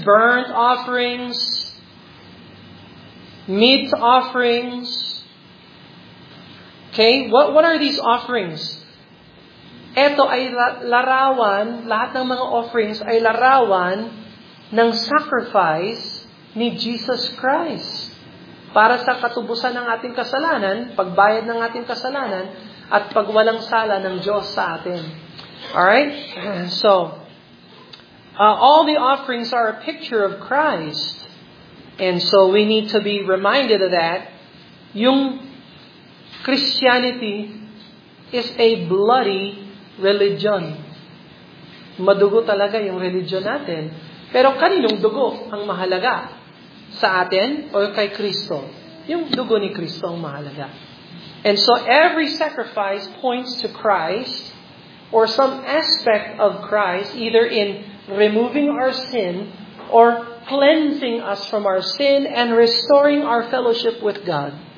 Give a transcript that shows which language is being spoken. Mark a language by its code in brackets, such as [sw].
[en] Burnt offerings, meat offerings. Okay, what are these offerings? [tl] Ito ay larawan, lahat ng mga offerings ay larawan ng sacrifice ni Jesus Christ. Para sa katubusan ng ating kasalanan, pagbayad ng ating kasalanan, at pagwalang sala ng Diyos sa atin. [en] Alright? So, all the offerings are a picture of Christ. And so, we need to be reminded of that. Yung Christianity is a bloody religion. [tl] Madugo talaga yung religion natin. Pero kaninong dugo ang mahalaga? Sa atin o kay Kristo? Yung dugo ni Kristo ang mahalaga. [en] And so every sacrifice points to Christ or some aspect of Christ, either in removing our sin or cleansing us from our sin and restoring our fellowship with God.